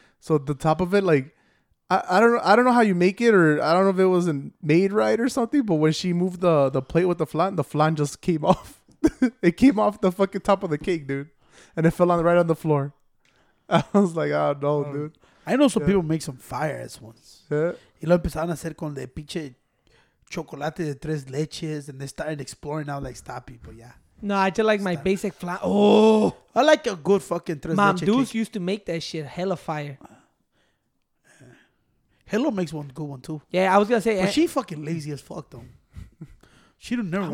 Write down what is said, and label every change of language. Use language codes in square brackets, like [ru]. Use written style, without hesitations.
[en] So the top of it, like, I don't know how you make it, or I don't know if it wasn't made right or something, but when she moved the plate with the flan just came off. It came off the fucking top of the cake, dude. And it fell on right on the floor. I was like, oh, no, dude. I know some people make some fire ass ones. Yeah. [es] Y lo empezaron a hacer con de pinche chocolate de tres leches. [en] And they started exploring out like, stop, people, yeah. No, I just like my basic flan. Oh. I like a good fucking tres leches. Mom, dudes used to make that shit hella fire. Hello makes one good one, too. Yeah, I was going to say. But she fucking lazy as fuck, though. She don't never want